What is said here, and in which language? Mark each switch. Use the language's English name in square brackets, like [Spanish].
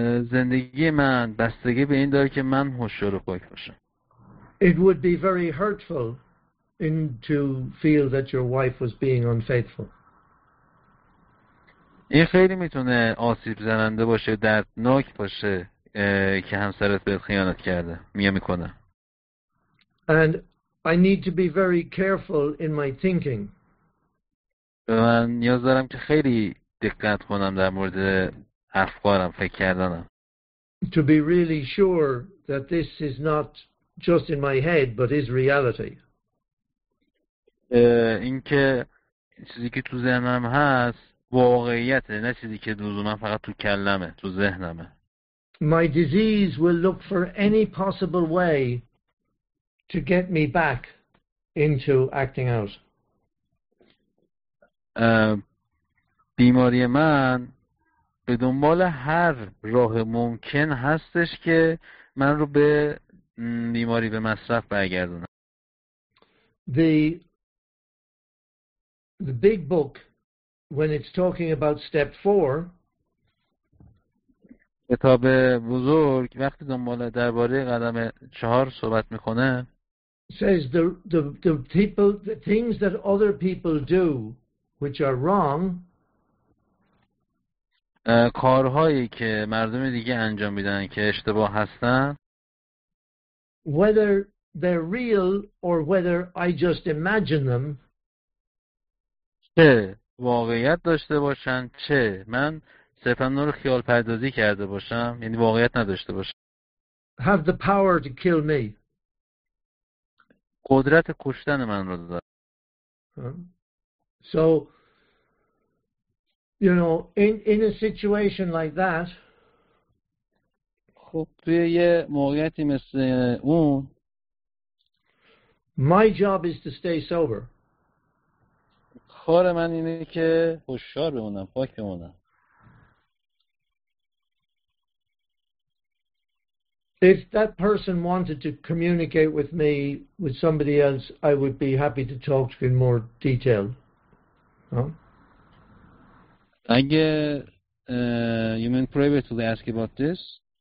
[Persian] زندگی من بستگی به این داره که من هوشیار و پاک باشم. [English] It would be very hurtful in to feel that your wife was being unfaithful. [Persian] این خیلی میتونه آسیب زننده باشه، دردناک باشه که همسرت بهت خیانت کرده میکنه. [English] And I need to be very careful in my thinking. [Persian] من نیاز دارم که خیلی دقت کنم در مورد افکارم، فکر کردنم. [English] To be really sure that this is not just in my head but is reality. [Persian] اینکه چیزی که تو ذهنم هست واقعیت، نه چیزی که لزوما فقط تو کلمه، تو ذهنمه. [English] My disease will look for any possible way to get me back into acting out. [Persian] بیماری من به دنبال هر راه ممکن هستش که من رو به بیماری، به مصرف برگردونم. [English] The big book, when it's talking about step 4, [Persian] کتاب بزرگ وقتی دنبال درباره قدم 4 صحبت میکنه، [English] says the people, the things that other people do which are wrong, [Persian] کارهایی که مردم دیگه انجام میدن که اشتباه هستن، [English] whether they're real or whether I just imagine them, [Persian] چه واقعیت داشته باشن چه من صرفاً نور خیال پردازی کرده باشم، یعنی واقعیت نداشته باشم، [English] have the power to kill me. [Persian] قدرت کشتن من رو دارد. [English] So, you know, in a situation like that, [Persian] خب توی یه موقعیتی مثل اون، [English] my job is to stay sober. [Persian] کار من اینه که هوشیار بمونم، پاک بمونم. [English] If that person wanted to communicate with me with somebody else, I would be happy to talk to you in more detail. You mean privately ask about this?